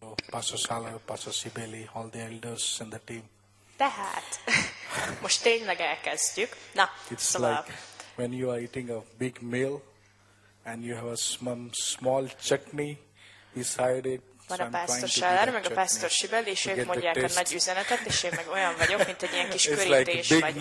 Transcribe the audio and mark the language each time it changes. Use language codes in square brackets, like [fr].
[en] Pastor Szala, Pastor Sibeli, all the elders and the team. [hu] Tehát, most tényleg elkezdjük. Na, [en] it's like when you are eating a big meal and you have a small chutney beside it. [hu] Van a Pásztor Sáller, meg a Pásztor Sibeli, és ők mondják a nagy üzenetet, és én meg olyan vagyok, mint egy ilyen kis körítés, vagy